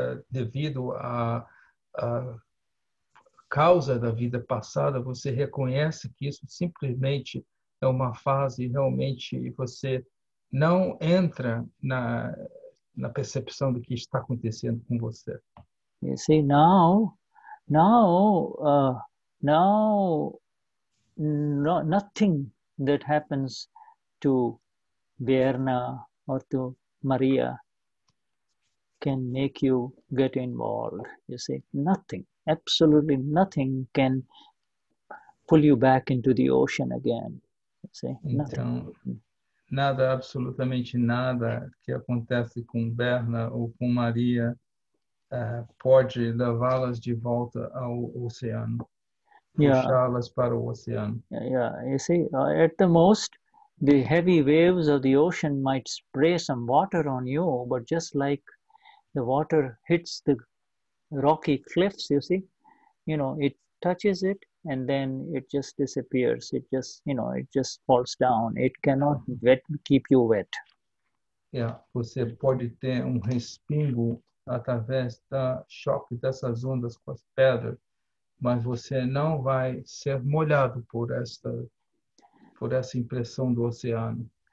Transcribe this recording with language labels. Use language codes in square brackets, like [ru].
[pt] Devido à causa da vida passada, você reconhece que isso simplesmente é uma fase, realmente, e você não entra na percepção do que está acontecendo com você. [en] You see, now, nothing that happens to Verna or to Maria can make you get involved, you see. Nothing, absolutely nothing can pull you back into the ocean again, you see. [pt] Então, nada, absolutamente nada que acontece com Berna ou com Maria pode levá-las de volta ao oceano, puxá-las para o oceano. [en] Yeah, you see, at the most, the heavy waves of the ocean might spray some water on you, but just like the water hits the rocky cliffs, you see. You know, it touches it and then it just disappears. It just, you know, it just falls down. It cannot keep you wet. [pt] Yeah, você pode ter respingo através do choque dessas ondas com as pedras, mas você não vai ser molhado por essa impressão do oceano.